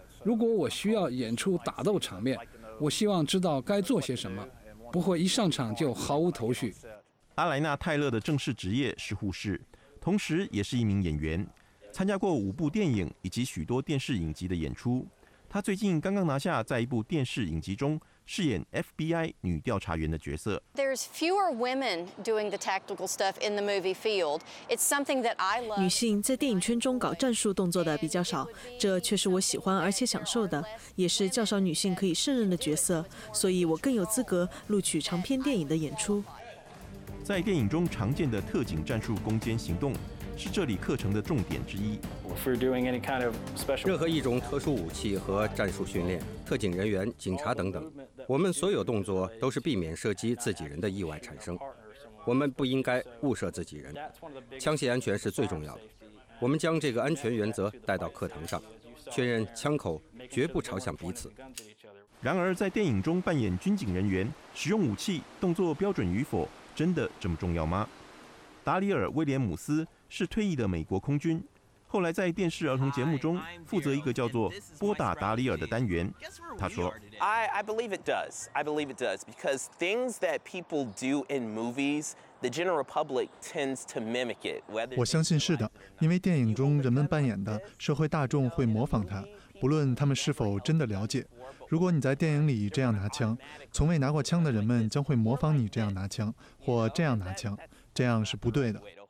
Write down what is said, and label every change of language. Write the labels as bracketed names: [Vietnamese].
[Chinese] 如果我需要演出打斗场面，我希望知道该做些什么，不会一上场就毫无头绪。阿莱纳·泰勒的正式职业是护士，同时也是一名演员，参加过5部电影以及许多电视影集的演出。他他最近刚刚拿下在一部电视影集中饰演 FBI 女调查员的角色。 [English] There's fewer women doing the tactical stuff in the movie field. It's something that I love. [Chinese] 女性在电影圈中搞战术动作的比较少，这却是我喜欢而且享受的，也是较少女性可以胜任的角色，所以我更有资格录取长篇电影的演出。在电影中常见的特警战术攻坚行动是这里课程的重点之一。任何一种特殊武器和战术训练，特警人员、警察等等，我们所有动作都是避免射击自己人的意外产生。我们不应该误射自己人，枪械安全是最重要的。我们将这个安全原则带到课堂上，确认枪口绝不朝向彼此。然而在电影中扮演军警人员，使用武器动作标准与否真的这么重要吗？达里尔·威廉姆斯是退役的美国空军，后来在电视儿童节目中负责一个叫做“拨打达里尔”的单元。他说 [English] ：“I believe it does. I believe it does because things that people do in movies, the general public tends to mimic it. [Chinese] 我相信是的，因为电影中人们扮演的社会大众会模仿它，不论他们是否真的了解。如果你在电影里这样拿枪，从未拿过枪的人们将会模仿你这样拿枪或这样拿枪，这样是不对的。”